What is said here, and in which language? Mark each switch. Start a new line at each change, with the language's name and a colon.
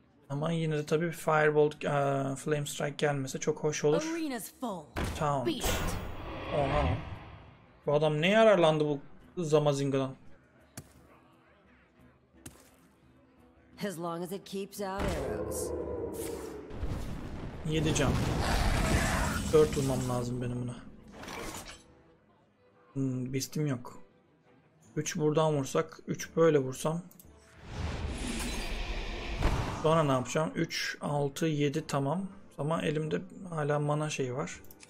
Turkish: Ama yine de tabii bir fireball flame strike gelmese çok hoş olur. Town. Oha. Bu adam ne yararlandı bu Zamazinga'dan?
English: As long as it keeps out arrows.
Turkish: 7 can. 4 vurmam lazım benim buna. Beast'im yok. 3 buradan vursak, 3 böyle vursam. Sonra ne yapacağım? 3, 6, 7 tamam. Ama elimde hala mana şeyi var.